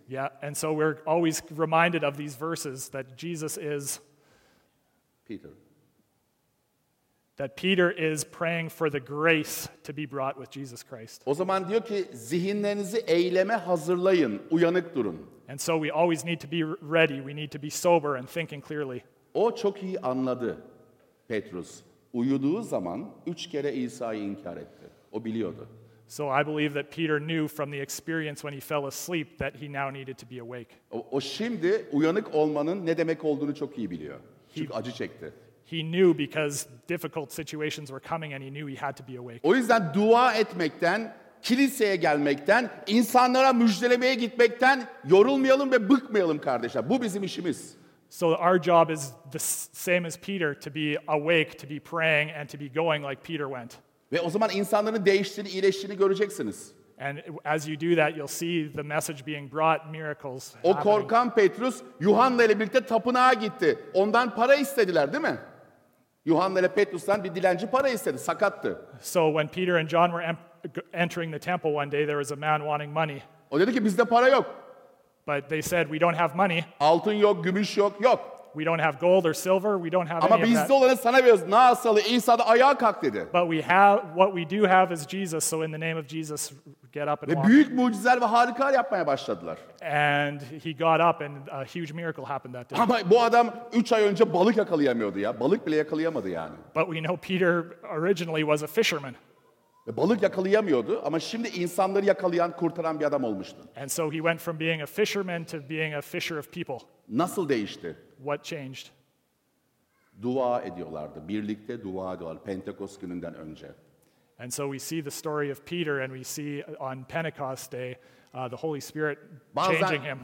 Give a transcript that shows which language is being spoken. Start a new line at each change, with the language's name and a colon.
English: Yeah, and so we're always reminded of these verses that Jesus is... Peter. That Peter is praying for the grace to be brought with Jesus Christ.
Turkish: O zaman diyor ki zihinlerinizi eyleme hazırlayın, uyanık durun.
English: And so we always need to be ready, we need to be sober and thinking clearly.
Turkish: O çok iyi anladı Petrus. Uyuduğu zaman 3 kere İsa'yı inkar etti. O biliyordu.
English: So I believe that Peter knew from the experience when he fell asleep that he now needed to be awake.
Turkish: O şimdi uyanık olmanın ne demek olduğunu çok iyi biliyor. Çünkü acı çekti.
English: He knew because difficult situations were coming and he knew he had to be awake.
Turkish: O yüzden dua etmekten kiliseye gelmekten, insanlara müjdelemeye gitmekten yorulmayalım ve bıkmayalım kardeşler. Bu bizim işimiz.
English: So our job is the same as Peter, to be awake, to be praying and to be going like Peter went.
Turkish: Ve o zaman insanların değiştiğini, iyileştiğini göreceksiniz.
English: And as you do that, you'll see the message being brought, miracles.
Turkish: O korkan Petrus, Yuhanna ile birlikte tapınağa gitti. Ondan para istediler, değil mi? Yuhanna ile Petrus'tan bir dilenci para istedi, sakattı.
English: So when Peter and John were entering the temple one day, there was a man wanting money.
Turkish: O dedi ki, bizde para yok.
English: But they said, we don't have money.
Turkish: Altın yok, gümüş yok, yok.
English: We don't have gold or silver. We don't have
Turkish: ama
English: any of that.
Turkish: Ama bizde olanı sana veriyoruz. Nasıl? İsa da ayağa kalk dedi.
English: But we have, what we do have is Jesus. So in the name of Jesus, get up and
Turkish: ve
English: walk.
Turkish: Ve büyük mucizeler ve harikalar yapmaya başladılar.
English: And he got up and a huge miracle happened that day.
Turkish: Ama bu adam 3 ay önce balık yakalayamıyordu ya. Balık bile yakalayamadı yani.
English: But we know Peter originally was a fisherman.
Turkish: Ve balık yakalayamıyordu ama şimdi insanları yakalayan, kurtaran bir adam olmuştu.
English: And so he went from being a fisherman to being a fisher of people.
Turkish: Nasıl değişti?
English: What changed?
Turkish: Dua ediyorlardı. Birlikte dua ediyorlardı. Pentecost gününden önce.
English: And so we see the story of Peter and we see on Pentecost day the Holy Spirit changing him.